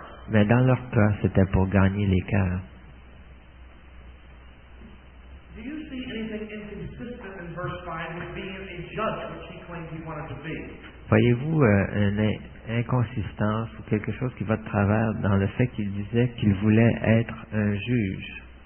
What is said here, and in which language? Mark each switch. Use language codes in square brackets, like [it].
[fr] Mais dans leur cas, c'était pour gagner les cœurs. [en] Do you see anything inconsistent in verse 5 with being a judge, which he claimed he wanted to be? [fr] Voyez-vous une inconsistance ou quelque chose qui va de travers dans le fait qu'il disait qu'il voulait être un juge?